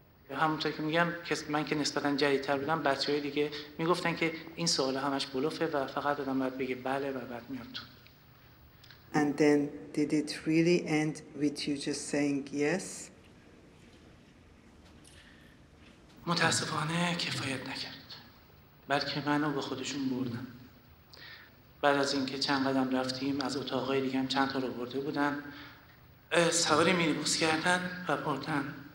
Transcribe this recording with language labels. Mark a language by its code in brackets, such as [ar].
[fa] همونطور که میگم من که نسبتا جدیدتر بودم بچه های دیگه میگفتن که این سوال همش بلوفه و فقط دادم باید بگه بله و بعد میام تو [en] And then did it really end with you just saying yes? [fa] متاسفانه کفایت نکرد بلکه منو به خودشون بردن بعد از اینکه چند قدم رفتیم از اتاقهای دیگه هم چند تا رو برده بودن سواری مینیبوس کردن و بردن